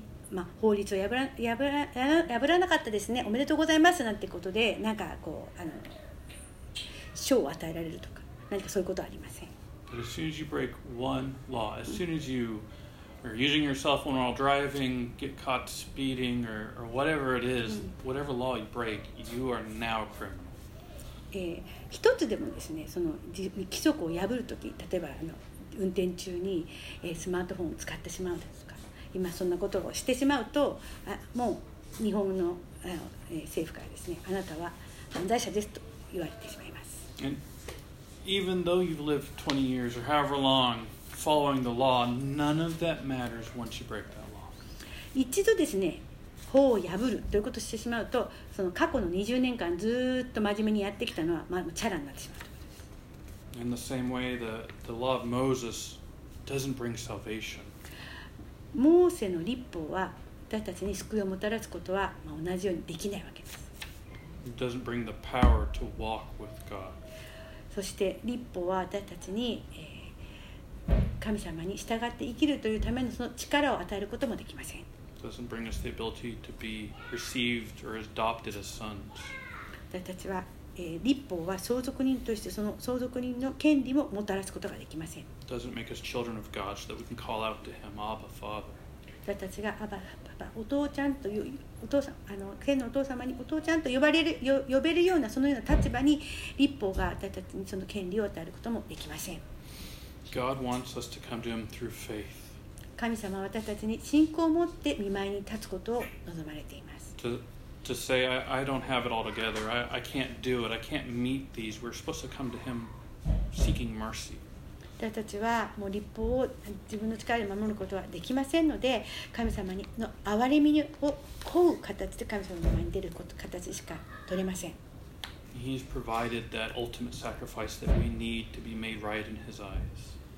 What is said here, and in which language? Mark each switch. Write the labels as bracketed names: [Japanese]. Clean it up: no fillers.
[Japanese] まあ、法律を破らなかったですね、おめでとうございますなんてことで、なんかこう、賞を与えられるとか、何かそういうことはありません。 [English] But as soon as you break one law, as soon as you are using your cell phone while driving, get caught speeding, or whatever it is, whatever law you break, you are now a criminal. [Japanese] 一つでもですね、その規則を破るとき、例えば運転中にスマートフォンを使ってしまうとか。今そんなことをしてしまうと、もう日本の政府からですね、あなたは犯罪者ですと言われてしまいます。 [English] And even though you've lived 20 years or however long following the law, none of that matters once you break that law. [Japanese] 一度ですね、法を破るということをしてしまうと、その過去の20年間ずっと真面目にやってきたのは、まあ、チャラになってしまうということです。 [English] In the same way, the law of Moses doesn't bring salvation. [Japanese] モーセの律法は私たちに救いをもたらすことは同じようにできないわけです。 [English] It doesn't bring the power to walk with God. [Japanese] そして律法は私たちに神様に従って生きるというためのその力を与えることもできません。 [English] It doesn't bring us the ability to be received or adopted as sons. [Japanese] 私たちは律法は相続人としてその相続人の権利ももたらすことができません。 [English] Doesn't make us children of God so that we can call out to Him, Abba, Father. [Japanese] 私たちがアバ、ぱお父ちゃんというお父さん、あの天のお父様にお父ちゃんと呼ばれる、呼べるようなそのような立場に立法が私たちにその権利を与えることもできません。 [English] God wants us to come to him through faith. [Japanese] 神様は私たちに信仰を持って御前に立つことを望まれています。 [English] to say I don't have it all together, I can't do it, I can't meet these, we're supposed to come to him seeking mercy. [Japanese] 私たちはもう律法を自分の力で守ることはできませんので、神様の憐れみを乞う形で神様の前に出ること形しか取れません。 [English] He's provided that ultimate sacrifice that we need to be made right in his eyes.